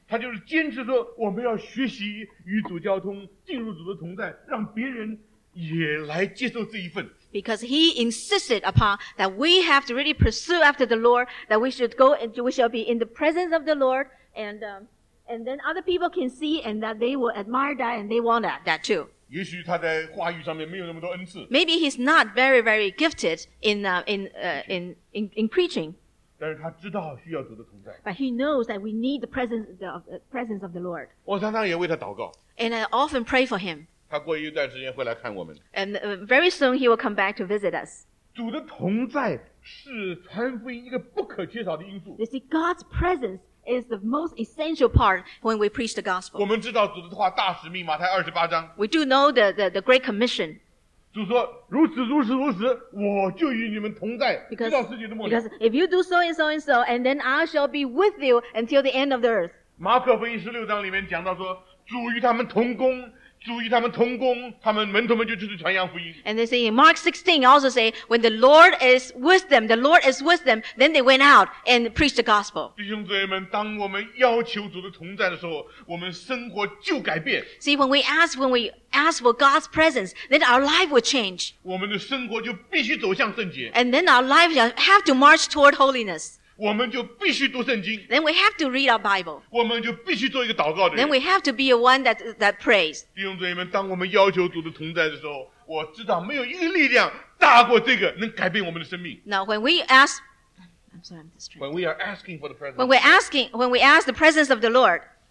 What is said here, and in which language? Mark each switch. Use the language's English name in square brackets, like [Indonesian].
[Chinese] 他就是坚持说我们要学习与主交通，进入主的同在，让别人也来接受这一份。 [English] Because he insisted upon that we have to really pursue after the Lord, that we should go and we shall be in the presence of the Lord. And then other people can see and that they will admire that and they want that too. [Chinese] 也许他在话语上面没有那么多恩赐。 [English] Maybe he's not very, very gifted in preaching. [Chinese] 但是他知道需要主的同在。 [English] But he knows that we need the presence of the Lord. [Chinese] 我常常也为他祷告。 [English] And I often pray for him. [Chinese] 他过一段时间会来看我们。 [English] And very soon he will come back to visit us. [Chinese] 主的同在是传福音一个不可缺少的因素。 [English] You see, God's presence is the most essential part when we preach the gospel. [Chinese] 我们知道主的话大使命马太二十八章。 [English] We do know the Great Commission. [Chinese] 主说如此如此如此，我就与你们同在，直到世界的末了。 [English] Because if you do so and so and so, and then I shall be with you until the end of the earth. [Chinese] 马可福音十六章里面讲到说，主与他们同工。主与他们同工，他们门徒们就出去传扬福音。 [English] And they say in Mark 16 also say, when the Lord is with them, the Lord is with them, then they went out and preached the gospel. [Chinese] 弟兄姊妹们，当我们要求主的同在的时候，我们生活就改变。 [English] See, when we ask for God's presence, then our life will change. [Chinese] 我们的生活就必须走向圣洁。 [English] And then our life shall have to march toward holiness. [Chinese] 我们就必须读圣经。 [English] Then we have to read our Bible. [Chinese] 我们就必须做一个祷告的人。 [English] Then we have to be a one that prays. [Chinese] 弟兄姊妹们，当我们要求主的同在的时候，我知道没有一个力量大过这个能改变我们的生命。 [English] Now when we ask, when we are asking for the presence, when we ask the presence of the Lord,